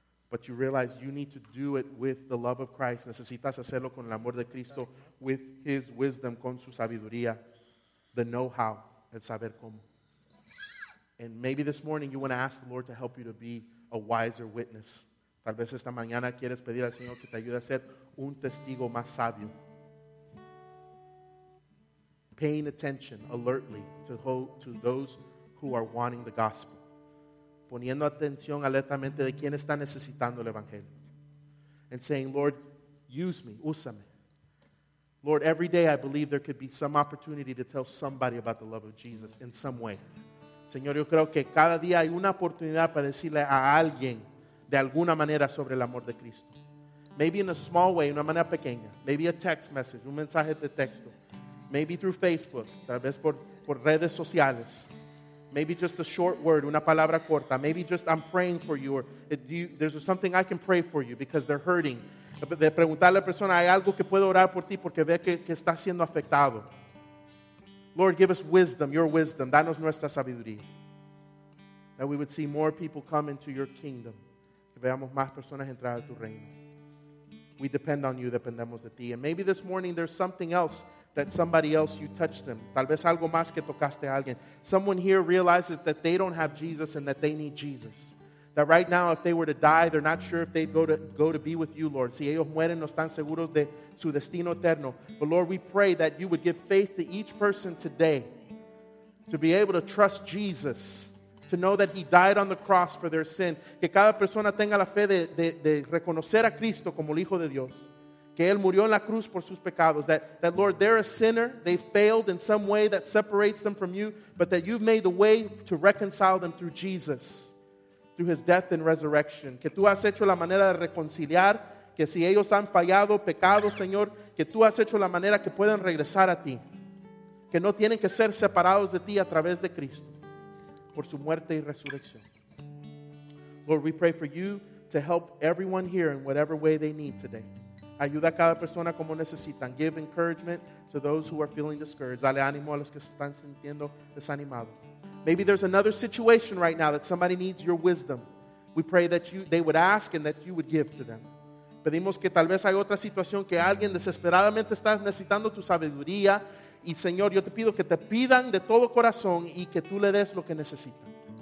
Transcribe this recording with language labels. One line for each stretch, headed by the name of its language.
English: But you realize you need to do it with the love of Christ.
Spanish: Necesitas hacerlo con el amor de Cristo,
English: with his wisdom,
Spanish: con su sabiduría,
English: the know-how,
Spanish: el saber cómo.
English: And maybe this morning you want to ask the Lord to help you to be a wiser witness.
Spanish: Tal vez esta mañana quieres pedir al Señor que te ayude a ser un testigo más sabio.
English: Paying attention alertly to those who are wanting the gospel.
Spanish: Poniendo atención alertamente de quien está necesitando el evangelio.
English: And saying, Lord, use me,
Spanish: úsame.
English: Lord, every day I believe there could be some opportunity to tell somebody about the love of Jesus in some way.
Spanish: Señor, yo creo que cada día hay una oportunidad para decirle a alguien de alguna manera sobre el amor de Cristo.
English: Maybe in a small way,
Spanish: una manera pequeña.
English: Maybe a text message,
Spanish: un mensaje de texto.
English: Maybe through Facebook,
Spanish: tal vez por redes sociales.
English: Maybe just a short word,
Spanish: una palabra corta.
English: Maybe just I'm praying for you, or there's something I can pray for you because they're hurting.
Spanish: De preguntarle a la persona, ¿hay algo que puedo orar por ti porque ve que está siendo afectado?
English: Lord, give us wisdom, your wisdom.
Spanish: Danos nuestra sabiduría.
English: That we would see more people come into your kingdom.
Spanish: Que veamos más personas entrar a tu reino.
English: We depend on you,
Spanish: dependemos de ti.
English: And maybe this morning there's something else that somebody else, you touched them.
Spanish: Tal vez algo más que tocaste a alguien.
English: Someone here realizes that they don't have Jesus and that they need Jesus. That right now, if they were to die, they're not sure if they'd go to be with you, Lord.
Spanish: Si ellos mueren, no están seguros de su destino eterno.
English: But Lord, we pray that you would give faith to each person today to be able to trust Jesus, to know that he died on the cross for their sin.
Spanish: Que cada persona tenga la fe de reconocer a Cristo como el Hijo de Dios. Que él murió en la cruz por sus pecados.
English: That Lord, they're a sinner. They failed in some way that separates them from you. But that you've made the way to reconcile them through Jesus, through his death and resurrection.
Spanish: Que tú has hecho la manera de reconciliar, que si ellos han fallado, pecado, Señor, que tú has hecho la manera que puedan regresar a ti, que no tienen que ser separados de ti a través de Cristo, por su muerte y resurrección.
English: Lord, we pray for you to help everyone here in whatever way they need today.
Spanish: Ayuda a cada persona como necesitan.
English: Give encouragement to those who are feeling discouraged.
Spanish: Dale ánimo a los que se están sintiendo desanimados.
English: Maybe there's another situation right now that somebody needs your wisdom. We pray that they would ask and that you would give to them.
Spanish: Pedimos que tal vez hay otra situación que alguien desesperadamente está necesitando tu sabiduría. Y Señor, yo te pido que te pidan de todo corazón y que tú le des lo que necesitan.